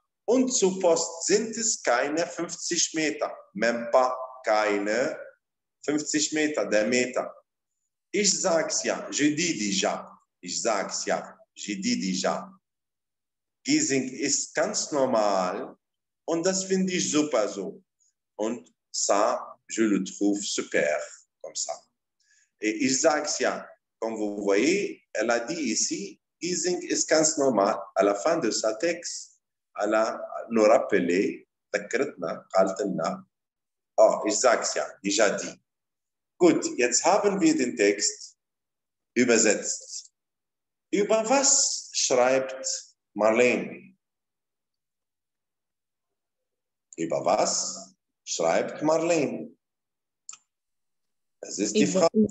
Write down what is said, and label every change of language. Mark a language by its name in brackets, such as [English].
[German] Und zur Post sind es keine 50 Meter. [French] Même pas, [German] keine 50 Meter, der Meter. Ich sag's ja, [French] je dis déjà. [German] Ich sag's ja, je dis déjà. Giesing ist ganz normal und das finde ich super so. [French] Und ça, je le trouve super, comme ça. Et [German] ich sag's ja, [French] comme vous voyez, elle a dit ici, [German] Giesing ist ganz normal. [French] À la fin de sa texte, elle a nous rappelé, d'akritna, kaltenna. [German] Oh, ich sag's ja, [French] déjà dit. [German] Gut, jetzt haben wir den Text übersetzt. Über was schreibt Marlene? Über was schreibt Marlene? Das ist die Frage.